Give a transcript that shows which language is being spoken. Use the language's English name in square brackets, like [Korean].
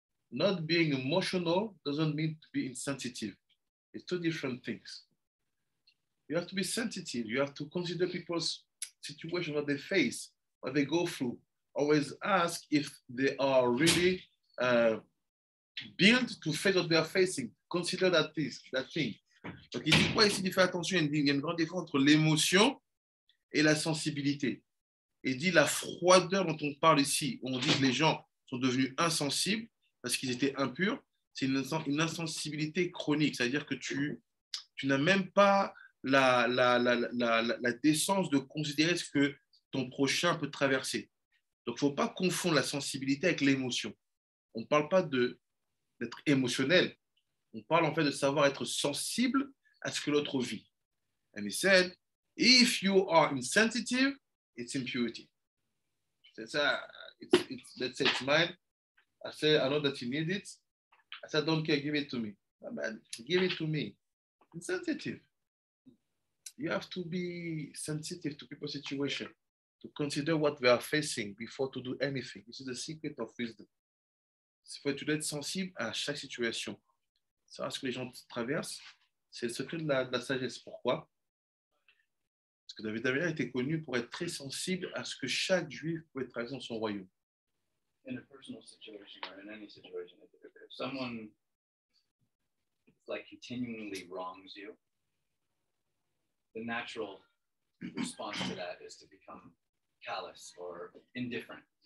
[English] Not being emotional doesn't mean to be insensitive. It's two different things. You have to be sensitive. You have to consider people's situation, what they face, what they go through. Always ask if they are really built to face what they are facing. Consider that thing. [French] Donc, il dit quoi ici de faire attention? Il dit qu'il y a une grande différence entre l'émotion et la sensibilité. Il dit la froideur dont on parle ici, où on dit que les gens sont devenus insensibles parce qu'ils étaient impurs, c'est une insensibilité chronique. C'est-à-dire que tu n'as même pas la décence de considérer ce que ton prochain peut traverser. Donc, il ne faut pas confondre la sensibilité avec l'émotion. On ne parle pas d'être émotionnel. On parle en fait de savoir être sensible à ce que l'autre vit. [English] And he said, if you are insensitive, it's impurity. [French] C'est ça. [English] That's it, mine. I said, I know that you need it. I said, don't care, give it to me. My man, give it to me. Insensitive. You have to be sensitive to people's situation, to consider what they are facing before to do anything. This is the secret of wisdom. [French] Il faut être sensible à chaque situation. Savoir ce que les gens traversent, c'est le secret de la sagesse. Pourquoi? Parce que David Amir était connu pour être très sensible à ce que chaque juif pouvait traverser dans son royaume. [English] In a personal situation or in any situation, if someone like continually wrongs you, the natural response to that is to become callous or indifferent.